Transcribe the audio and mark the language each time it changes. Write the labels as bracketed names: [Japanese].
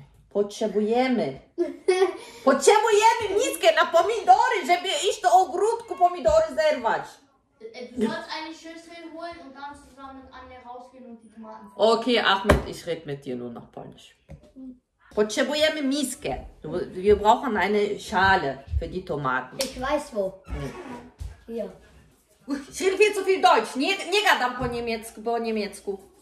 [Polish] Potrzebujemy. Potrzebujemy miskę na pomidory, żeby iść do ogródku pomidorów. [German] erwartet. Du sollst eine Schüssel holen und dann zusammen mit Anne rausgehen und die Tomaten fressen. Okay, Ahmed, ich rede mit dir nur noch Polnisch. [Polish] Potrzebujemy miskę. [German] Wir brauchen eine Schale für die Tomaten. Ich weiß wo. Hier. Ich rede viel zu viel Deutsch. [Polish] Nie gadam po niemiecku, po niemiecku.